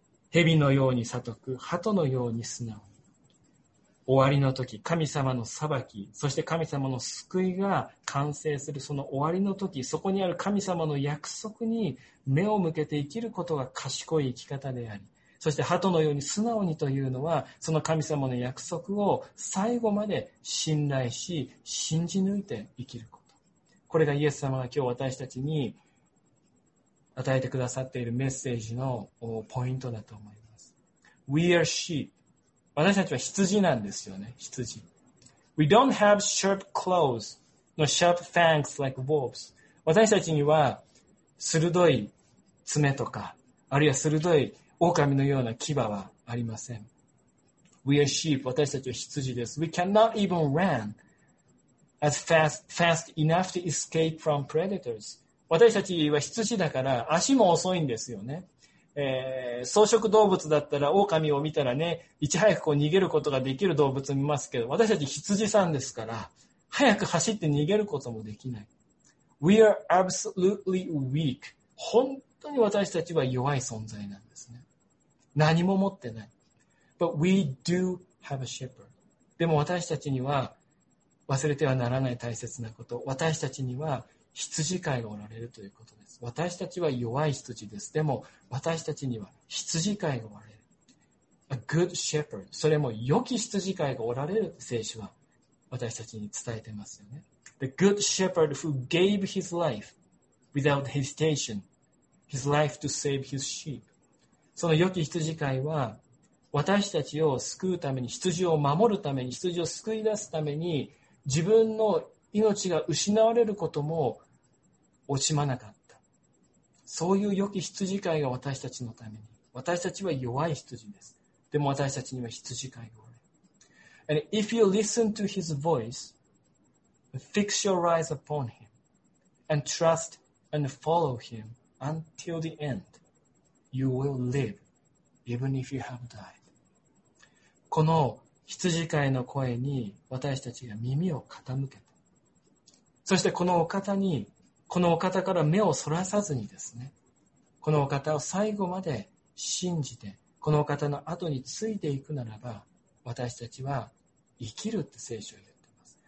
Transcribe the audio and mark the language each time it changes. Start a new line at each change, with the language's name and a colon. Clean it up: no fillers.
Japanese: 蛇のように悟く、鳩のように素直、終わりの時、神様の裁き、そして神様の救いが完成する、その終わりの時、そこにある神様の約束に目を向けて生きることが賢い生き方であり、そして鳩のように素直にというのは、その神様の約束を最後まで信頼し信じ抜いて生きること、これがイエス様が今日私たちに与えてくださっているメッセージのポイントだと思います。
English: We are sheep。
Japanese: 私たちは羊なんですよね、羊。
English: We don't have sharp claws nor sharp fangs like wolves.
Japanese: 私たちには鋭い爪とか、あるいは鋭い狼のような牙はありません。
English: We are sheep.
Japanese: 私たちは羊です。
English: We cannot even run as fast enough to escape from predators.
Japanese: 私たちは羊だから足も遅いんですよね。草食動物だったら狼を見たらね、いち早くこう逃げることができる動物を見ますけど、私たち羊さんですから早く走って逃げることもできない。
English: We are absolutely weak。
Japanese: 本当に私たちは弱い存在なんですね。何も持ってない。
English: But we do have a shepherd。
Japanese: でも私たちには忘れてはならない大切なこと、私たちには羊飼いがおられるということです。私たちは弱い羊です。でも私たちには羊飼いがおられる。
English: A good shepherd。
Japanese: それも良き羊飼いがおられる、聖書は私たちに伝えてますよね。
English: The good shepherd who gave his life without hesitation, his life to save his sheep。
Japanese: その良き羊飼いは私たちを救うために、羊を守るために、羊を救い出すために、自分の命が失われることも惜しまなかった。そういう良き羊飼いが私たちのために、私たちは弱い羊です。でも私たちには羊飼いがおる。
English: And if you listen to his voice, fix your eyes upon him and trust and follow him until the end, you will live even if you have died。
Japanese: この羊飼いの声に私たちが耳を傾けた、そしてこのお方に、このお方から目をそらさずにですね、このお方を最後まで信じて、このお方の後についていくならば、私たちは生きるって聖書は言っています。